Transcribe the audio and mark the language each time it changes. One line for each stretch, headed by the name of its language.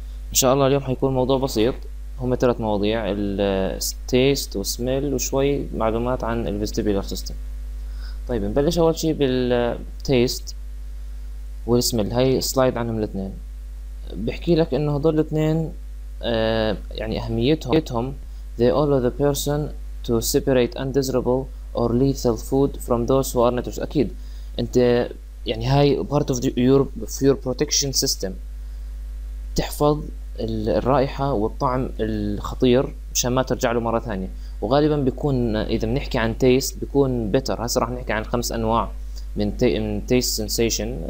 Arabic: ان شاء الله اليوم حيكون موضوع بسيط، هم 3 مواضيع: التيست وسميل وشوي معلومات عن الفيستيبولار سيستم. طيب نبلش اول شيء بالتيست والسميل. هاي سلايد عنهم الاثنين، بحكي لك انه هذول الاثنين يعني اهميتهم.
English: They allow the person to separate undesirable or lethal food from those who are nutritious.
Arabic: اكيد انت يعني هاي
English: part of your protection system،
Arabic: تحفظ الرائحة والطعم الخطير مشان ما ترجع له مرة ثانية. وغالبا بيكون اذا بنحكي عن taste بيكون bitter. هسا راح نحكي عن 5 انواع من taste sensation.